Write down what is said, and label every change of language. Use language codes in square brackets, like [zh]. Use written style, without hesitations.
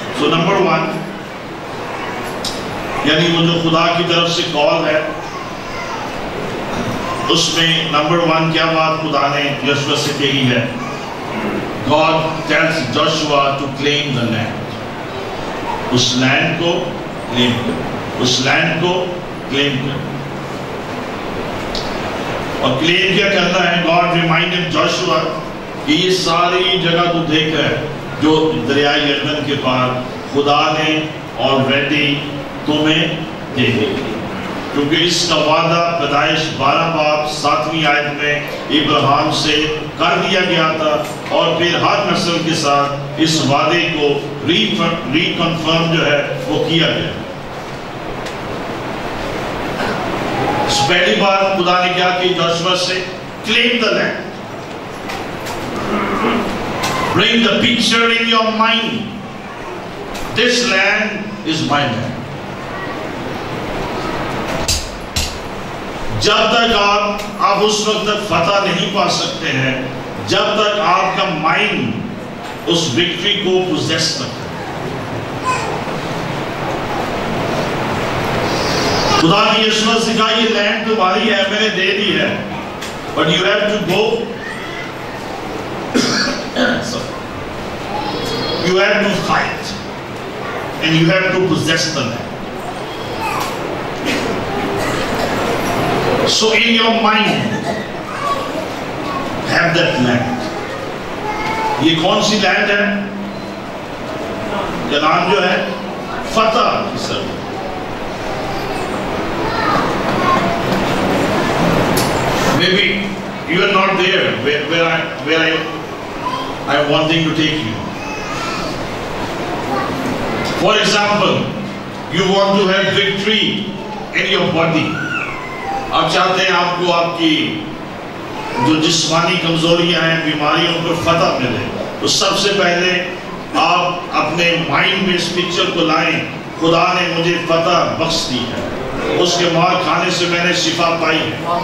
[hi] तो number one, यानी वो जो खुदा की तरफ से कॉल है, उसमें नंबर वन क्या बात खुदा ने यशुआ से कही है? [en] God tells Joshua to claim the land. [hi] उस लैंड को क्लेम कर, उस लैंड को क्लेम कर। और क्लेम क्या करना है? [en] God reminded Joshua [hi] कि ये सारी जगह तू देख रहा है, जो दरिया यर्दन के पार खुदा ने ऑलरेडी तुम्हें दे दी, क्योंकि इसका वादा पैदाइश 12 बाब 7वीं आयत में इब्राहिम से कर दिया गया था और फिर हर नस्ल के साथ इस वादे को रीकंफर्म जो है वो किया गया। पहली बार खुदा ने क्या की जोशुआ से? [en] Claim the land. Bring the picture in your mind. This land is my land. [hi] जब तक आप उस वक्त तक फतह नहीं पा सकते हैं, जब तक आपका माइंड उस विक्ट्री को पोजेस करता है। खुदा ने यीशु से कहा, ये लैंड तुम्हारी है, मैंने दे दी है, [en] But you have to go, you have to fight and you have to possess the land. So in your mind have that land. [hi] ये कौन सी लैंड है? कनान जो है, फतह की sir. [en] Maybe you are not there where I am wanting to take you. For example, you want to have victory in your body. [hi] आप चाहते हैं आपको आपकी जो जिस्मानी कमजोरियां हैं, बीमारियों पर फतह मिले, तो सबसे पहले आप अपने माइंड में इस पिक्चर को लाएं, खुदा ने मुझे फतह बख्श दी है, उसके मार खाने से मैंने शिफा पाई है।